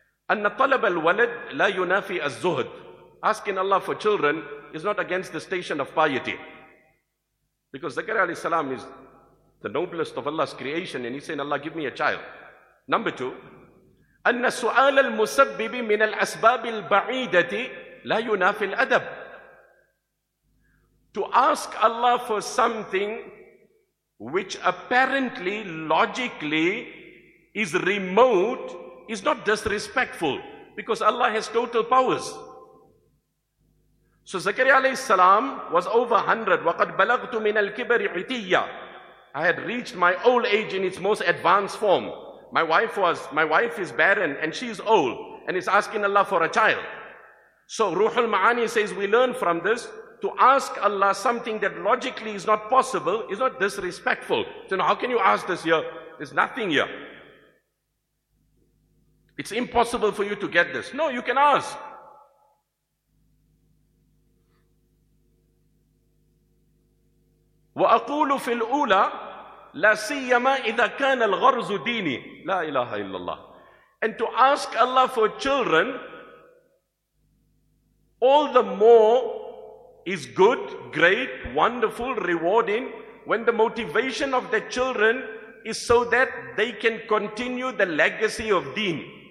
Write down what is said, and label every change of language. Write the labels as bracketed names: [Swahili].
[Arabic] أن طلب الولد لا ينافي الزهد. [English] Asking Allah for children is not against the station of piety. Because Zakariya alayhi salam is the noblest of Allah's creation and he's saying, Allah, give me a child. Number 2, [Arabic] أن سؤال المسبب من الأسباب البعيدة لا ينافي الأدب. [English] To ask Allah for something which apparently, logically is remote is not disrespectful because Allah has total powers. So Zakariya alayhi salam was over 100. [Arabic] وَقَدْ بَلَغْتُ مِنَ الْكِبَرِ عِتِيَّةِ. [English] I had reached my old age in its most advanced form. My wife is barren and she's old and is asking Allah for a child. So Ruhul Ma'ani says we learn from this to ask Allah something that logically is not possible is not disrespectful. So now how can you ask this here? There's nothing here. It's impossible for you to get this. No, you can ask. [Arabic] وأقول في الأولى لا سيما إذا كان الغرز ديني لا إله إلا الله. [English] And to ask Allah for children, all the more is good, great, wonderful, rewarding when the motivation of the children is so that they can continue the legacy of deen.